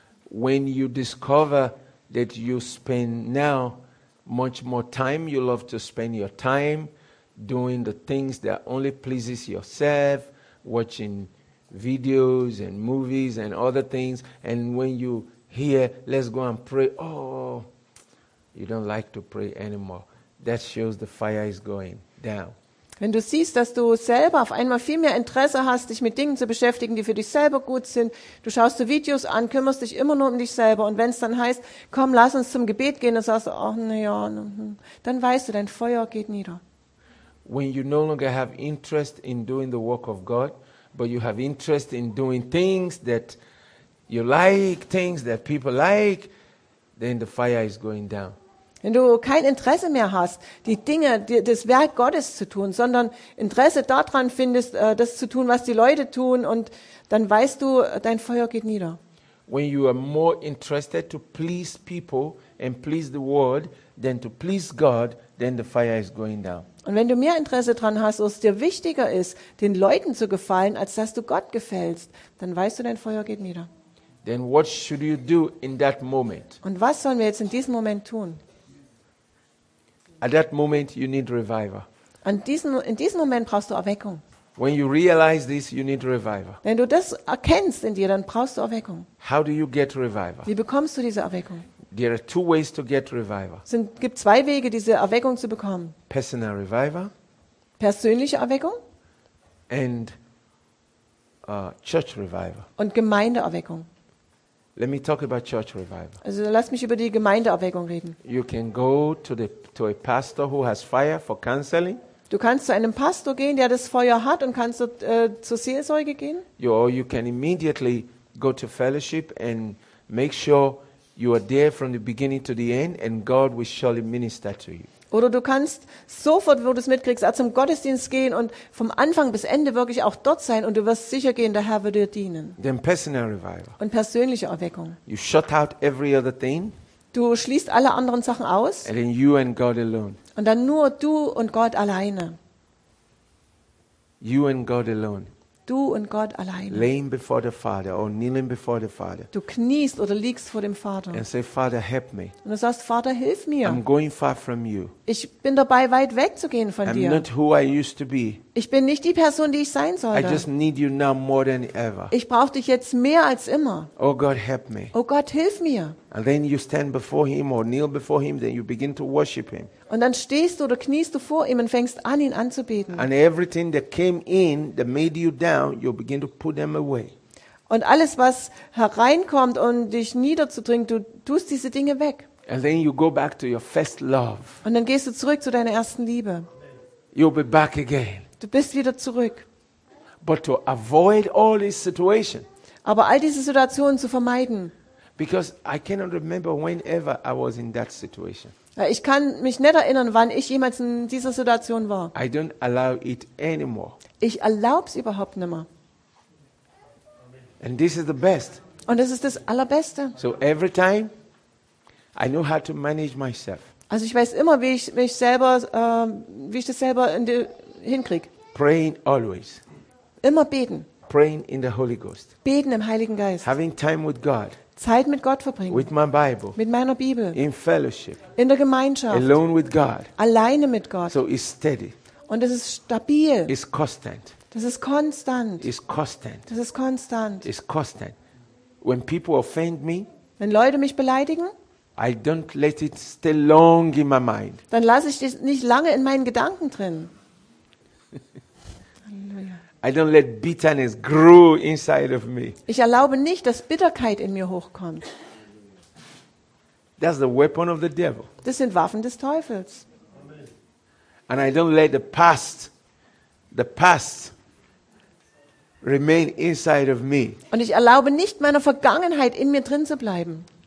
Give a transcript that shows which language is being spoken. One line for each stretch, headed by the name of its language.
English: When you discover that you spend now much more time, you love to spend your time doing the things that only pleases yourself, watching videos and movies and other things, and when you hear let's go and pray, oh, you don't like to pray anymore. That shows the fire is going down.
German: Wenn du siehst, dass du selber auf einmal viel mehr Interesse hast, dich mit Dingen zu beschäftigen, die für dich selber gut sind, du schaust dir Videos an, kümmerst dich immer nur um dich selber und wenn es dann heißt, komm, lass uns zum Gebet gehen, dann sagst du, ach, na ja, dann weißt du, dein Feuer geht nieder.
English: When you no longer have interest in doing the work of God, but you have interest in doing things that you like, things that people like, then the fire is going down.
German: Wenn du kein Interesse mehr hast, die Dinge, das Werk Gottes zu tun, sondern Interesse daran findest, das zu tun, was die Leute tun, und dann weißt du, dein Feuer geht nieder.
English: When you are more interested to please people and please the world than to please God, then the fire is going down.
German: Und wenn du mehr Interesse dran hast, was dir wichtiger ist, den Leuten zu gefallen, als dass du Gott gefällst, dann weißt du, dein Feuer geht nieder.
English: Then what should you do in that moment?
German: Und was sollen wir jetzt in diesem Moment tun?
English: At that moment you need revival.
German: In diesem Moment brauchst du Erweckung.
English: When you realize this, you need revival.
German: Wenn du das erkennst in dir, dann brauchst du Erweckung.
English: How do you get revival?
German: Wie bekommst du diese Erweckung?
English: There are two ways to get revival.
German: Es gibt zwei Wege, diese Erweckung zu bekommen.
English: Personal revival.
German: Persönliche Erweckung.
English: And church revival.
German: Und Gemeindeerweckung.
English: Let me talk about church revival.
German: Also lass mich über die Gemeindeerweckung reden.
English: You can go to a pastor who has fire for counseling.
German: Du kannst zu einem Pastor gehen, der das Feuer hat, und kannst zur Seelsorge gehen.
English: You can immediately go to fellowship and make sure you are there from the beginning to the end, and God will surely minister to you.
German: Oder du kannst sofort, wo du es mitkriegst, auch zum Gottesdienst gehen und vom Anfang bis Ende wirklich auch dort sein und du wirst sicher gehen, der Herr wird dir dienen.
English: Then personal revival.
German: Und persönliche Erweckung.
English: You shut out every other thing.
German: Du schließt alle anderen Sachen aus.
English: And then you and God alone.
German: Und dann nur du und Gott alleine.
English: You and God alone.
German: Du und Gott allein.
English: Laying before the Father or kneeling before the Father.
German: Du kniest oder liegst vor dem Vater.
English: And say, Father, help me.
German: Und du sagst, Vater, hilf mir.
English: I'm going far from you.
German: Ich bin dabei, weit wegzugehen von dir.
English: I'm not who I used to be.
German: Ich bin nicht die Person, die ich sein sollte.
English: I just need you now more than ever.
German: Ich brauche dich jetzt mehr als immer.
English: Oh God, help me.
German: Oh Gott, hilf mir.
English: And then you stand before him or kneel before him, then you begin to worship him.
German: Und dann stehst du oder kniest du vor ihm und fängst an, ihn anzubeten.
English: And everything that came in that made you down, you begin to put them away.
German: Und alles, was hereinkommt und dich niederzudrängt, du tust diese Dinge weg.
English: And then you go back to your first love.
German: Und dann gehst du zurück zu deiner ersten Liebe.
English: You'll be back again.
German: Du bist wieder zurück.
English: But to avoid all these situations.
German: Aber all diese Situationen zu vermeiden.
English: Because I cannot remember whenever I was in that situation.
German: Ich kann mich nicht erinnern, wann ich jemals in dieser Situation war.
English: I don't allow it anymore.
German: Ich erlaub's überhaupt nimmer.
English: And this is the best.
German: Und das ist das Allerbeste.
English: So every time I know how to manage myself.
German: Also ich weiß immer, wie ich mich selber wie ich das selber hinkrieg.
English: Praying always.
German: Immer beten.
English: Praying in the Holy Ghost.
German: Beten im Heiligen Geist.
English: Having time with God.
German: Zeit mit Gott verbringen.
English: With my Bible.
German: Mit meiner Bibel.
English: In fellowship.
German: In der Gemeinschaft.
English: Alone with God.
German: Alleine mit Gott.
English: So it's steady.
German: Und es ist stabil.
English: It's constant.
German: Das ist konstant.
English: It's constant.
German: Das ist konstant.
English: It's constant. When people offend me,
German: wenn Leute mich beleidigen,
English: I don't let it stay long in my mind.
German: Dann lasse ich es nicht lange in meinen Gedanken drin.
English: I don't let bitterness grow inside of me.
German: Ich erlaube nicht, dass Bitterkeit in mir hochkommt.
English: That's the weapon of the devil.
German: Das sind Waffen des Teufels.
English: And I don't let the past remain inside of me.
German: Und ich erlaube nicht, meiner Vergangenheit in mir drin zu bleiben.